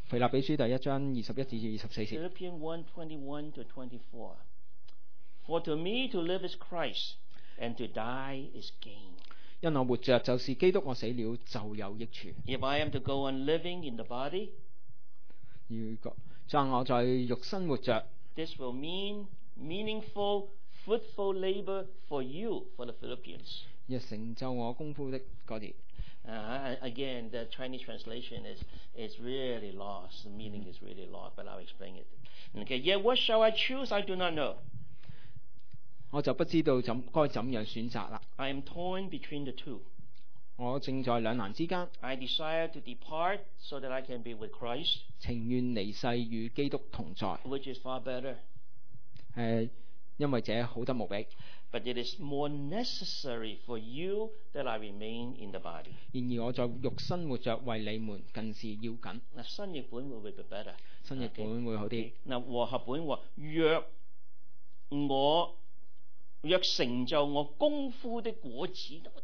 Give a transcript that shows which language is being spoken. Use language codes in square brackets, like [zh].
[zh] 腓立比书第一章二十一至二十四节。 [en] Philippians 1, 21 to 24. For to me to live is Christ, and to die is gain. [zh] 因我活着就是基督，我死了就有益处。 [en] If I am to go on living in the body, [zh] 如果像我在肉身活着， [en] this will mean meaningful, fruitful labor for you, for the Philippians. [zh] 要成就我功夫的那些。 [en] Again, the Chinese translation is really lost. The meaning is really lost, but I'll explain it. Okay, yet what shall I choose? I do not know. [zh] 我就不知道该怎样选择了。 [en] I am torn between the two. [zh] 我正在两难之间。 [en] I desire to depart so that I can be with Christ. [zh] 情愿离世与基督同在。 [en] Which is far better. [zh] 因为这好得无比。 [en] But it is more necessary for you that I remain in the body. [zh] 然而我在肉身活着为你们更是要紧。 Now, 新译本会比较 better. 新译本会好一点。Okay. Now, 和合本说，若我，若成就我功夫的果子。